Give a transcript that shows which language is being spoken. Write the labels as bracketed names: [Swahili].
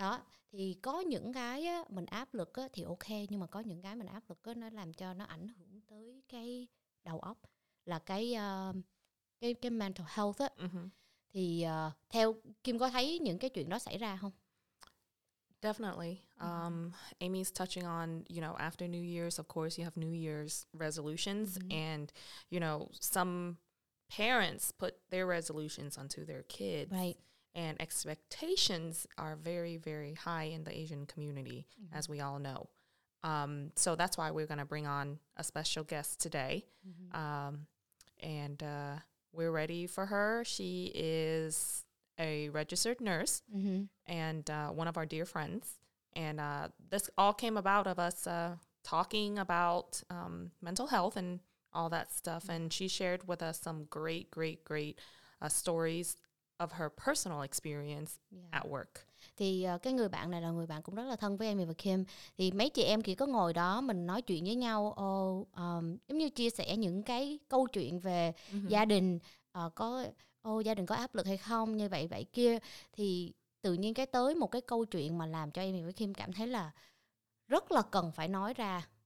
[Vietnamese] Đó, thì có những cái á mình áp lực á thì ok, nhưng mà có những cái mình áp lực á nó làm cho nó ảnh hưởng tới cái đầu óc là cái mental health á. Mm-hmm. Thì theo Kim có thấy những cái chuyện đó xảy ra không? [English] Definitely. Amy's touching on, you know, after New Year's, of course you have New Year's resolutions and you know, some parents put their resolutions onto their kids. Right. And expectations are very, very high in the Asian community, mm-hmm. as we all know. So that's why we're going to bring on a special guest today. Mm-hmm. We're ready for her. She is a registered nurse and one of our dear friends. And this all came about of us talking about mental health and all that stuff. Mm-hmm. And she shared with us some great, great, great stories of her personal experience at work. [Vietnamese] Thì cái người bạn này là người bạn cũng rất là thân với Amy và Kim. Thì mấy chị em chỉ có ngồi đó mình nói chuyện với nhau, giống như chia sẻ những cái câu chuyện về gia đình, gia đình có áp lực hay không như vậy vậy kia. Thì tự nhiên cái tới một cái câu chuyện mà làm cho Amy và Kim cảm thấy là rất là cần phải nói ra.